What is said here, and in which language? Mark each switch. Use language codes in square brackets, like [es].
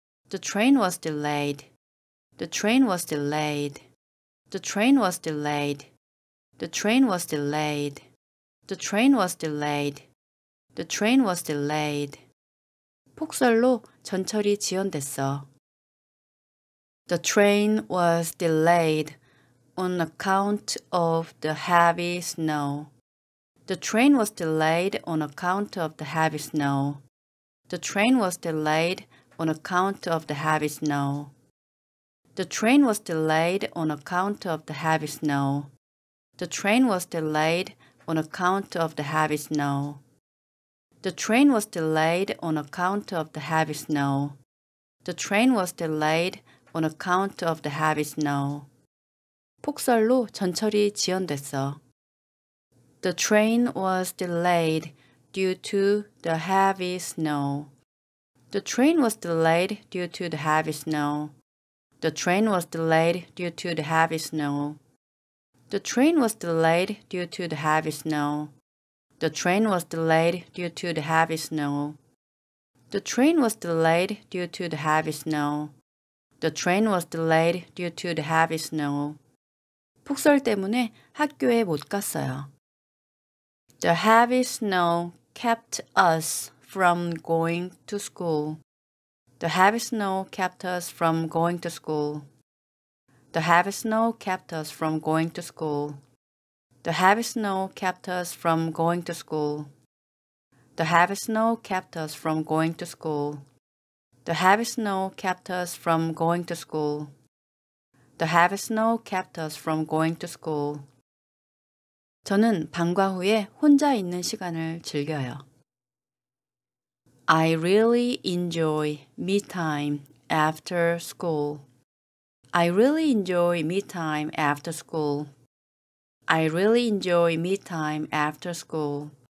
[en] The train was delayed. The train was delayed. The train was delayed. The train was delayed. The train was delayed. The train was delayed. [ko] 폭설로 전철이 지연됐어. [en] The train was delayed on account of the heavy snow. The train was delayed on account of the heavy snow. The train was delayed on account of the heavy snow. The train was delayed on account of the heavy snow. The train was delayed on account of the heavy snow. The train was delayed on account of the heavy snow. The train was delayed on account of the heavy snow. [ko] 폭설로 전철이 지연됐어. [en] The train was delayed due to the heavy snow. The train was delayed due to the heavy snow. The train was delayed due to the heavy snow. The train was delayed due to the heavy snow. The train was delayed due to the heavy snow. The train was delayed due to the heavy snow. The train was delayed due to the heavy snow. [ko] 폭설 때문에 학교에 못 갔어요. [en] The heavy snow kept us from going to school. The heavy snow kept us from going to school. The heavy snow kept us from going to school. The heavy snow kept us from going to school. The heavy snow kept us from going to school. The heavy snow kept us from going to school. The heavy snow kept us from going to school. [ko] 저는 방과 후에 혼자 있는 시간을 즐겨요. [en] I really enjoy me time after school. I really enjoy me time after school. I really enjoy me time after school.